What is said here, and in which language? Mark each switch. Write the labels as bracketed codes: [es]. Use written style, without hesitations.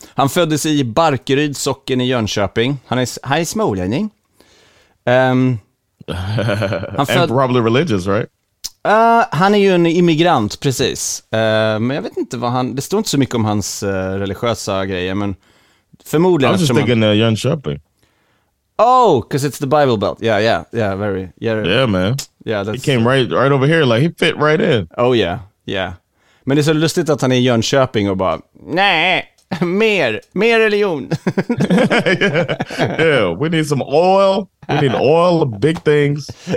[sv] Han föddes i Barkeryd socken i Jönköping. Han är smålänning. [en] And probably religious, right? [sv] Han är ju en immigrant, precis. Men jag vet inte vad han... Det står inte så mycket om hans religiösa grejer, men förmodligen... [en] I'm just thinking Jönköping. Oh, because it's the Bible Belt. Yeah, yeah, yeah, very... Yeah, yeah, man. Yeah, that's... He came right over here, like he fit right in. Oh, yeah. Ja, yeah. [sv] Men det är så lustigt att han är i Jönköping och bara, nej, mer religion. [en] Yeah. Yeah, we need some oil, big things,